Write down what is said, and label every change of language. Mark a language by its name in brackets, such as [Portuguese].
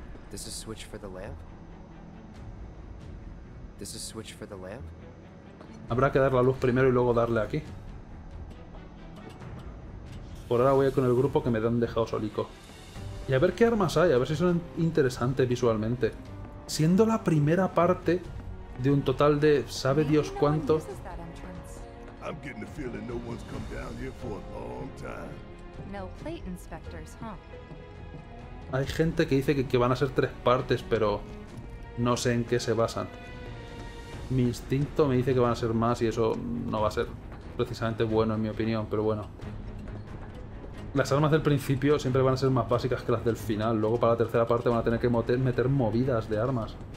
[English] This is switch for the lamp. This is switch for the lamp. [Spanish] Habrá que dar la luz primero y luego darle aquí. Por ahora voy con el grupo que me han dejado solico. Y a ver qué armas hay, a ver si son interesantes visualmente. Siendo la primera parte de un total de sabe Dios cuánto. [English] I'm getting the feeling no one's come down here for a long time. No plate inspectors, huh? [Spanish] Hay gente que dice que van a ser tres partes, pero no sé en qué se basan. Mi instinto me dice que van a ser más y eso no va a ser precisamente bueno en mi opinión, pero bueno. Las armas del principio siempre van a ser más básicas que las del final. Luego para la tercera parte van a tener que meter movidas de armas.